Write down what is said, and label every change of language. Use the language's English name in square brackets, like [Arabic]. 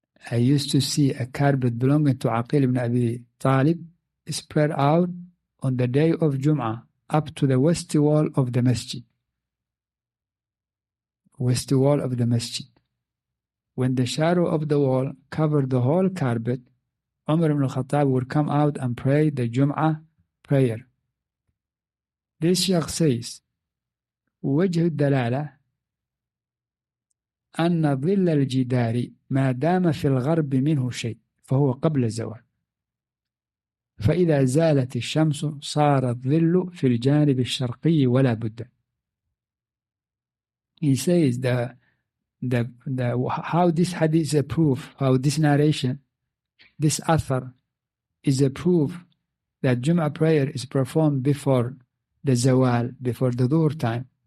[English] I used to see a carpet belonging to Aqil ibn Abi Talib spread out on the day of Jum'ah up to the west wall of the masjid. West wall of the masjid. When the shadow of the wall covered the whole carpet, Umar ibn Khattab would come out and pray the Jum'ah prayer. This Shaykh says, [Arabic] وجه الدلالة أن ظل الجدار ما دام في الغرب منه شيء فهو قبل الزوال فإذا زالت الشمس صار الظل في الجانب الشرقي ولا بد. [English] He says the how this hadith is a proof, how this narration, this author is a proof that Jum'ah prayer is performed before the zawal, before the dhuhr time.